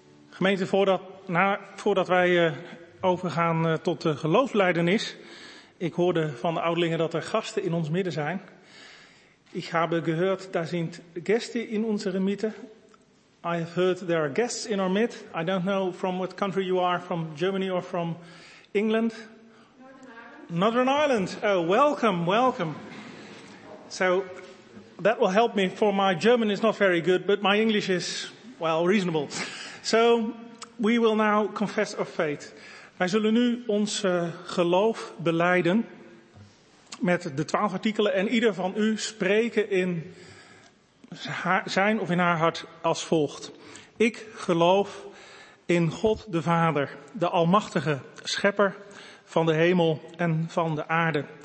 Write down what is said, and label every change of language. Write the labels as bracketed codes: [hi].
[nl] Gemeente, voordat wij overgaan tot de geloofsbelijdenis, ik hoorde van de ouderlingen dat er gasten in ons midden zijn. Ik heb gehoord, daar zijn gasten in onze midden. [en] I have heard there are guests in our mid. I don't know from what country you are, from Germany or from England. Northern Ireland. Northern Ireland. Oh, welcome, welcome. So that will help me, for my German is not very good, but my English is, well, reasonable. So, we will now confess our faith. [nl] Wij zullen nu ons geloof belijden met de 12 artikelen en ieder van u spreken in zijn of in haar hart als volgt. Ik geloof In God de Vader, de almachtige schepper van de hemel en van de aarde.